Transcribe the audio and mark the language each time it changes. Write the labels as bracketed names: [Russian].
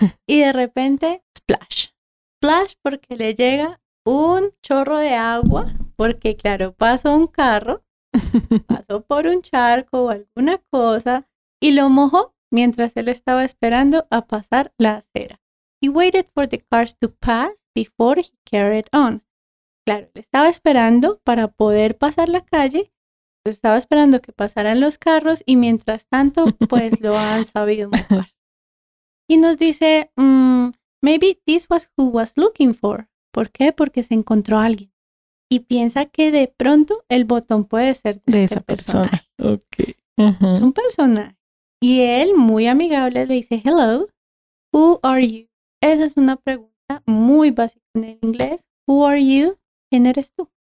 [Spanish] Y de repente, splash. Splash porque le llega un chorro de agua, porque claro, pasó un carro, pasó por un charco o alguna cosa, y lo mojó mientras él estaba esperando a pasar la acera. He waited for the cars to pass before he carried on. Claro, le estaba esperando para poder pasar la calle, estaba esperando que pasaran los carros y mientras tanto, pues lo han sabido mejor. Y nos dice, [English] maybe this was who was looking for. [Spanish] ¿Por qué? Porque se encontró a alguien. Y piensa que de pronto el botón puede ser de este esa persona. Ok. Es un personaje. Y él, muy amigable, le dice, [English] hello, who are you? [Spanish] Esa es una pregunta muy básica en el inglés. [English] Who are you? [Spanish] ¿Quién eres tú?